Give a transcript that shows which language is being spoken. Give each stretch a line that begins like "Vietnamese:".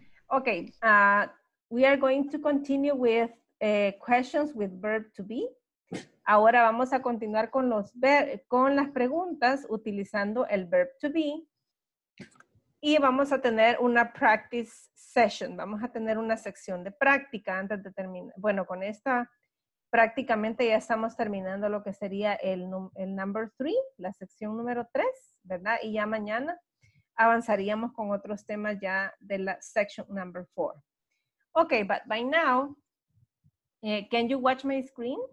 English: Okay, we are going to continue with questions with verb to be.
Spanish: Ahora vamos a continuar con las preguntas utilizando el verb to be. y vamos a tener una
English: practice session.
Spanish: Vamos a tener una sección de práctica antes de terminar. Bueno, con esta prácticamente ya estamos terminando lo que sería el
English: number three,
Spanish: la sección número tres, ¿verdad? Y ya mañana avanzaríamos con otros temas ya de la
English: section number four. Okay, but by now, can you watch my screen?